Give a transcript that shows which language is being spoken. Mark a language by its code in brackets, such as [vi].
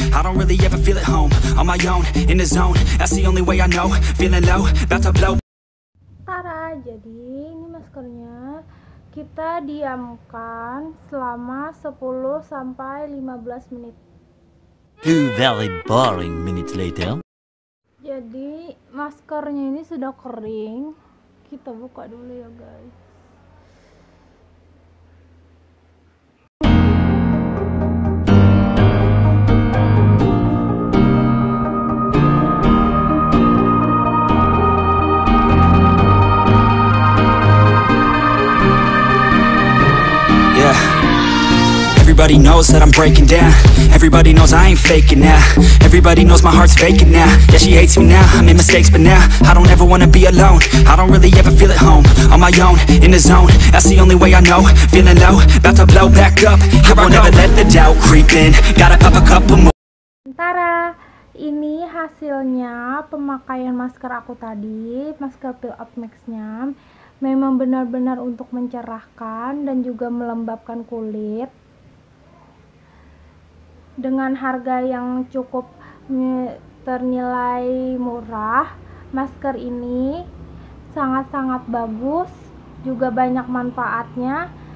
[en] I don't really ever feel at home. On my own, in the zone. That's the only way I know. Feeling low, about to blow. [id] Tara, jadi ini maskernya kita diamkan selama 10-15 menit. [en] Two very boring minutes later. [id] Jadi maskernya ini sudah kering. Kita buka dulu ya guys. [en] Everybody knows that I'm breaking down. Everybody knows I ain't faking now. Everybody knows my heart's faking now. Yeah, she hates me now. I made mistakes, but now I don't ever wanna be alone. I don't really ever feel at home. On my own, in the zone. That's the only way I know. Feeling low, about to blow back up. Here I won't ever let the doubt creep in. Gotta pop a couple more. [id] Tara, ini hasilnya pemakaian masker aku tadi, masker Peel Up Max-nya. Memang benar-benar untuk mencerahkan dan juga melembabkan kulit. Dengan harga yang cukup ternilai murah, masker ini sangat-sangat bagus, juga banyak manfaatnya.